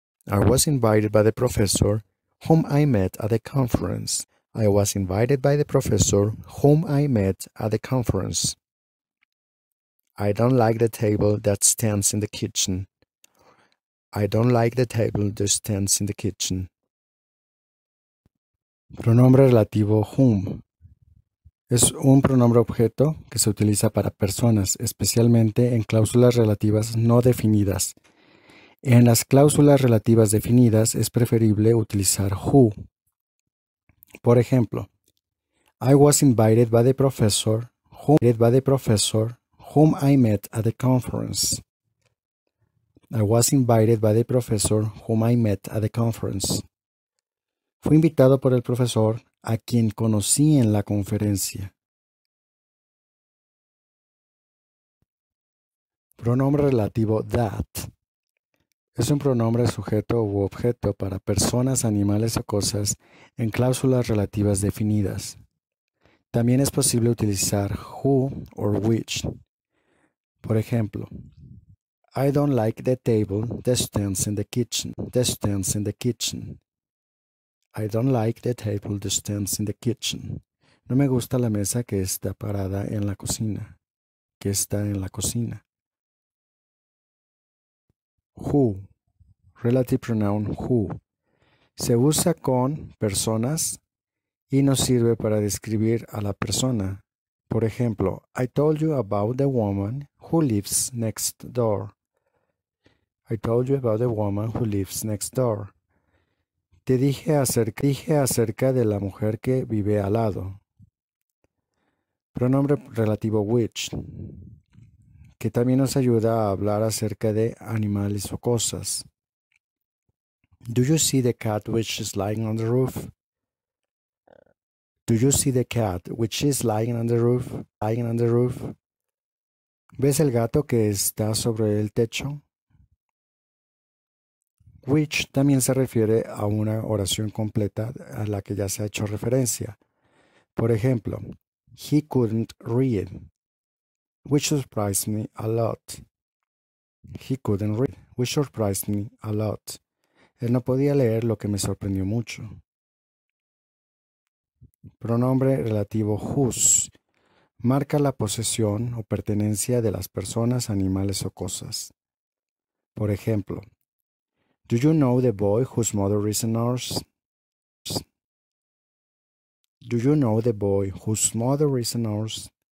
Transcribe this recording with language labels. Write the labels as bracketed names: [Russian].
[English] I was invited by the professor whom I met at the conference. I was invited by the professor whom I met at the conference. I don't like the table that stands in the kitchen. I don't like the table that stands in the kitchen. [Spanish] Pronombre relativo whom. Es un pronombre objeto que se utiliza para personas, especialmente en cláusulas relativas no definidas. En las cláusulas relativas definidas es preferible utilizar who. Por ejemplo, [English] I was invited by the professor whom I met at the conference. I was invited by the professor whom I met at the conference. [Spanish] Fui invitado por el profesor a quien conocí en la conferencia. Pronombre relativo that. Es un pronombre sujeto u objeto para personas, animales o cosas en cláusulas relativas definidas. También es posible utilizar who o which. Por ejemplo, [English] I don't like the table that stands in the kitchen. That stands in the kitchen. I don't like the table that stands in the kitchen. [Spanish] No me gusta la mesa que está parada en la cocina. Que está en la cocina. Who. [English] Relative pronoun who. [Spanish] Se usa con personas y nos sirve para describir a la persona. Por ejemplo, [English] I told you about the woman who lives next door. I told you about the woman who lives next door. [Spanish] Te dije acerca de la mujer que vive al lado. Pronombre relativo which, que también nos ayuda a hablar acerca de animales o cosas. [English] Do you see the cat which is lying on the roof? Do you see the cat which is lying on the roof? Lying on the roof. [Spanish] ¿Ves el gato que está sobre el techo? Which también se refiere a una oración completa a la que ya se ha hecho referencia. Por ejemplo, [English] he couldn't read, which surprised me a lot. He couldn't read, which surprised me a lot. [Spanish] Él no podía leer, lo que me sorprendió mucho. Pronombre relativo whose marca la posesión o pertenencia de las personas, animales o cosas. Por ejemplo, [English] do you know the boy whose mother is a nurse? Do you know the boy whose mother is a nurse?